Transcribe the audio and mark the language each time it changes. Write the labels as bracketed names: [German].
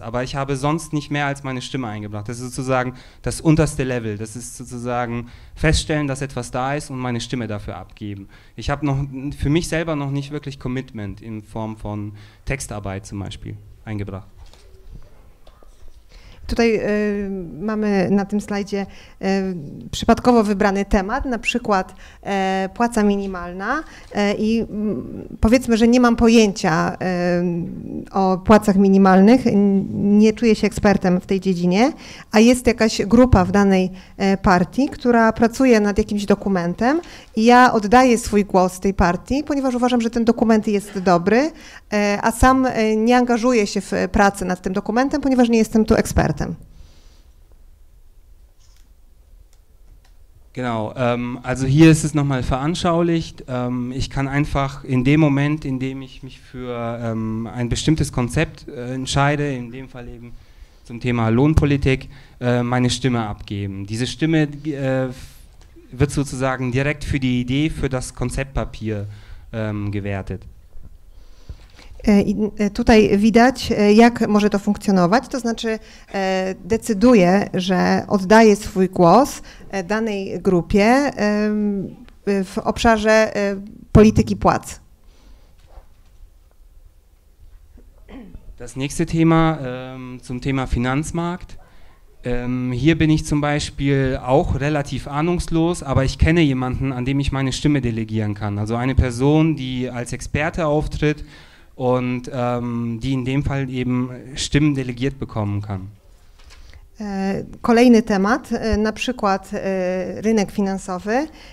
[German] Aber ich habe sonst nicht mehr als meine Stimme eingebracht. Das ist sozusagen das unterste Level. Das ist sozusagen feststellen, dass etwas da ist und meine Stimme dafür abgeben. Ich habe noch für mich selber noch nicht wirklich Commitment in Form von Textarbeit zum Beispiel eingebracht. [Polish] Tutaj mamy na tym slajdzie przypadkowo wybrany temat, na przykład płaca minimalna i powiedzmy, że nie mam pojęcia o płacach minimalnych, nie czuję się ekspertem w tej dziedzinie, a jest jakaś grupa w danej partii, która pracuje nad jakimś dokumentem i ja oddaję swój głos tej partii, ponieważ uważam, że ten dokument jest dobry, a sam nie angażuję się w pracę nad tym dokumentem, ponieważ nie jestem tu ekspertem. [German] Genau, also hier ist es nochmal veranschaulicht. Ich kann einfach in dem Moment, in dem ich mich für ein bestimmtes Konzept entscheide, in dem Fall eben zum Thema Lohnpolitik, meine Stimme abgeben. Diese Stimme wird sozusagen direkt für die Idee, für das Konzeptpapier gewertet. [Polish] I tutaj widać, jak może to funkcjonować, to znaczy decyduję, że oddaję swój głos danej grupie w obszarze polityki płac. [German] Das nächste Thema, zum Thema Finanzmarkt. Hier bin ich zum Beispiel auch relativ ahnungslos, aber ich kenne jemanden, an dem ich meine Stimme delegieren kann. Also eine Person, die als Experte auftritt, und die in dem Fall eben Stimmen delegiert bekommen kann. [Polish] Kolejny temat, na przykład rynek finansowy.